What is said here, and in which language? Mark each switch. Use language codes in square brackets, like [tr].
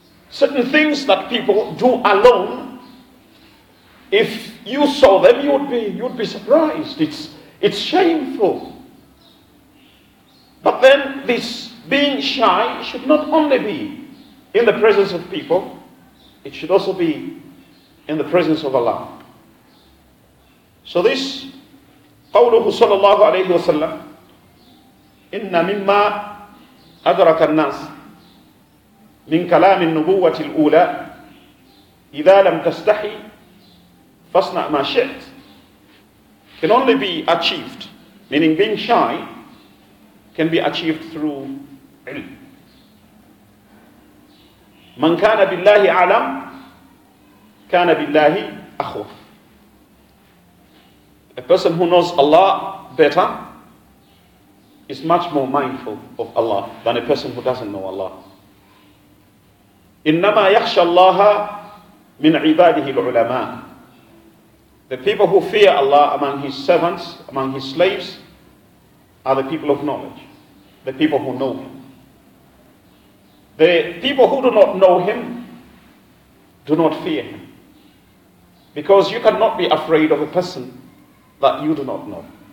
[en] Certain things that people do alone, if you saw them, you'd be surprised. It's shameful. But then this being shy should not only be in the presence of people, it should also be in the presence of Allah. So this [ar] قوله صلى الله عليه وسلم إن مما أدرك الناس من كلام النبوة الأولى إذا لم تستحي فاصنع ما شئت [en] can only be achieved, meaning being shy can be achieved through ilm. [ar] من كان بالله أعلم كان بالله أخوف. [en] A person who knows Allah better is much more mindful of Allah than a person who doesn't know Allah. [ar] إنما يخشى الله من عباده العلماء. [en] The people who fear Allah among His servants, among His slaves, are the people of knowledge, the people who know Him. The people who do not know Him do not fear Him. Because you cannot be afraid of a person that you do not know.